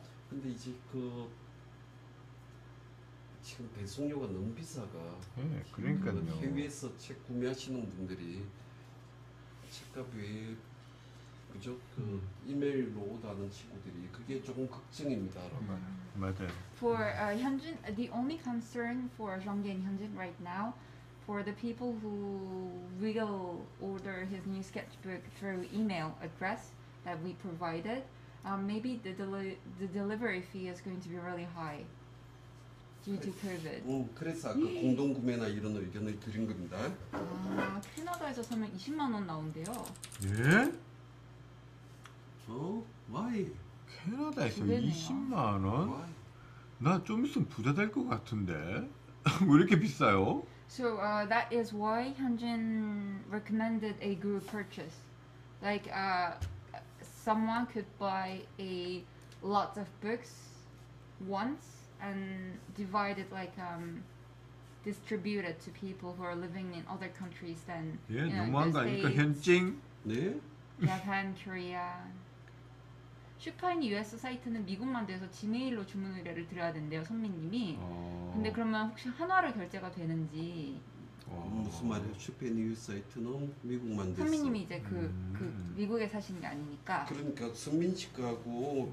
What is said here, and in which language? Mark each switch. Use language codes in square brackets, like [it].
[ko] 근데 이제 그 지금 배송료가 너무 비싸가. 예, 네, 그러니까요. 해외에서 책 구매하시는 분들이 책값이 그죠? 그 이메일로 오다는 친구들이 그게 조금 걱정입니다. 맞아요. [en] For Hyunjin, the only concern for Jeongi and Hyunjin right now. For the people who will order his new sketchbook through email address that we provided, maybe the delivery fee is going to be really high due to COVID. [ko] 그래서 아까 공동 구매나 이런 의견을 드린 겁니다. 아, 캐나다에서 사면 20만 원 나온대요. 예? [en] 어? Why? [ko] 캐나다에서 20만 원? 나 좀 있으면 부자 될 것 같은데 왜 이렇게 비싸요? [en] So that is why Hyunjin recommended a group purchase. Like someone could buy a lot of books once and divide it like distribute it to people who are living in other countries than Japan, Korea. [ko] 슈퍼인 US 사이트는 미국만 돼서 지메일로 주문 의뢰를 드려야 된대요, 선미님이. 근데 그러면 혹시 한화로 결제가 되는지. 무슨 말이에요? 슈퍼인 US 사이트는 미국만 돼서. 선미님이 이제 그 미국에 사시는 게 아니니까. 그러니까 선민 씨하고